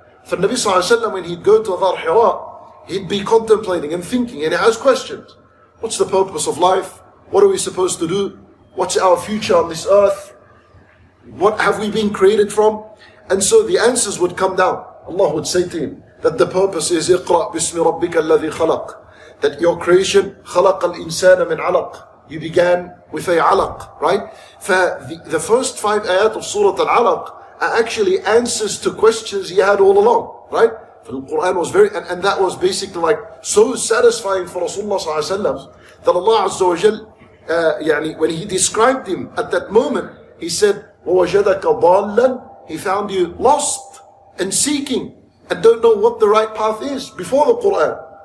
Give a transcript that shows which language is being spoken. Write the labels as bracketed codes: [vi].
[en] For Nabi Sallallahu Alaihi Wasallam, when he'd go to Dhar Hira, he'd be contemplating and thinking, and he has questions. What's the purpose of life? What are we supposed to do? What's our future on this earth? What have we been created from? And so the answers would come down. Allah would say to him that the purpose is [ar] اقرأ بسم ربك الذي خلق. [en] That your creation [ar] خلق الإنسان من علق. [en] You began with a alaq, right? The first five ayat of Surah Al-Alaq are actually answers to questions he had all along, right? The Quran was very, and that was basically like so satisfying for Rasulullah Sallallahu Alaihi Wasallam that Allah Azza wa Jal, when he described him at that moment, he said, [ar] وَوَجَدَكَ ضَالًا, [en] he found you lost and seeking and don't know what the right path is before the Quran.